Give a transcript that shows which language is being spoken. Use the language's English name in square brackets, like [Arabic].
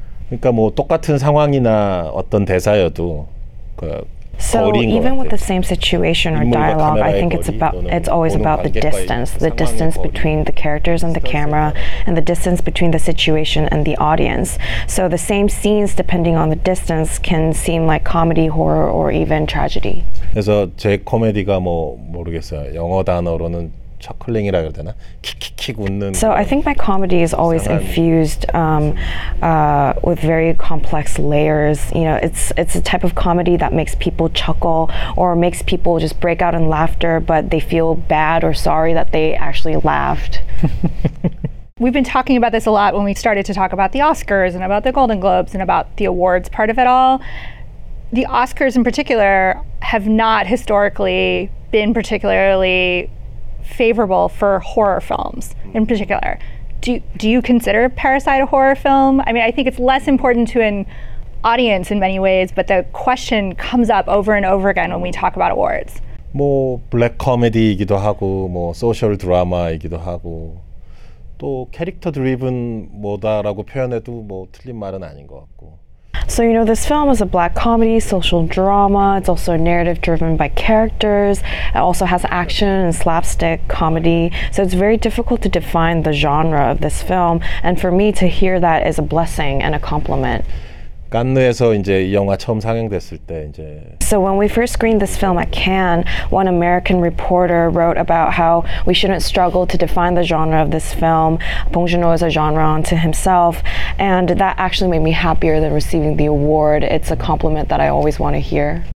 [Korean] 그러니까 뭐 똑같은 상황이나 어떤 대사여도 그 [English] So even with the same situation or dialogue, I think it's always about the distance. The distance between the characters and the camera, and the distance between the situation and the audience. So the same scenes, depending on the distance, can seem like comedy, horror, or even tragedy. [Korean] 그래서 제 코미디가 뭐 모르겠어요. 영어 단어로는 chuckling이라 그래야 되나? 킥킥킥 웃는 [English] So I think my comedy is always infused with very complex layers. You know, it's a type of comedy that makes people chuckle or makes people just break out in laughter, but they feel bad or sorry that they actually laughed. We've been talking about this a lot when we started to talk about the Oscars and about the Golden Globes and about the awards part of it all. The Oscars in particular have not historically been particularly favorable for horror films in particular. Do you consider Parasite a horror film? I mean, I think it's less important to an audience in many ways, but the question comes up over and over again when we talk about awards. [Korean] 뭐 블랙 코미디이기도 하고 뭐 소셜 드라마이기도 하고 또 캐릭터 드리븐 뭐다라고 표현해도 뭐 틀린 말은 아닌 것 같고. [English] So, you know, this film is a black comedy, social drama. It's also a narrative driven by characters. It also has action and slapstick comedy. So it's very difficult to define the genre of this film. And for me to hear that is a blessing and a compliment. [Korean] 깐느에서 이제 이 영화 처음 상영됐을 때 이제 [English] So when we first screened this film at Cannes, one American reporter wrote about how we shouldn't struggle to define the genre of this film. Bong-Joon Ho is a genre unto himself, and that actually made me happier than receiving the award. It's a compliment that I always want to hear.